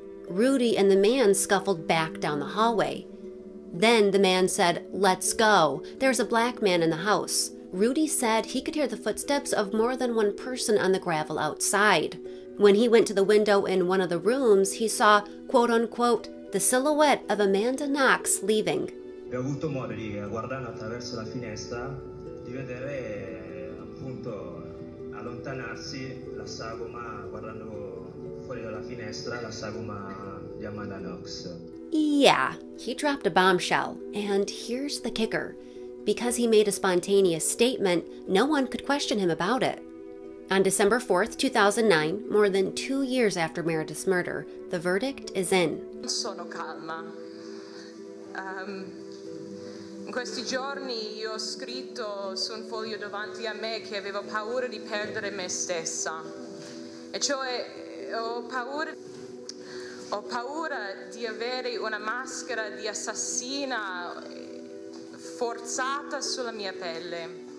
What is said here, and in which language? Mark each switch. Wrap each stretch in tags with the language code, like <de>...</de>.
<en>Rudy and the man scuffled back down the hallway. Then the man said, "Let's go. There's a black man in the house." Rudy said he could hear the footsteps of more than one person on the gravel outside. When he went to the window in one of the rooms, he saw, quote unquote, the silhouette of Amanda Knox leaving.</en> <it>Ho avuto modo di guardare attraverso la finestra, di vedere appunto allontanarsi la sagoma, guardando fuori dalla finestra la sagoma di Amanda Knox.</it> <en>Yeah, he dropped a bombshell, and here's the kicker. Because he made a spontaneous statement, no one could question him about it. On December 4th, 2009, more than 2 years after Meredith's murder, the verdict is in.</en> <it>Non sono calma. In questi giorni io ho scritto su un foglio davanti a me che avevo paura di perdere me stessa. E cioè ho paura di avere una maschera di assassina forzata sulla mia pelle.</it>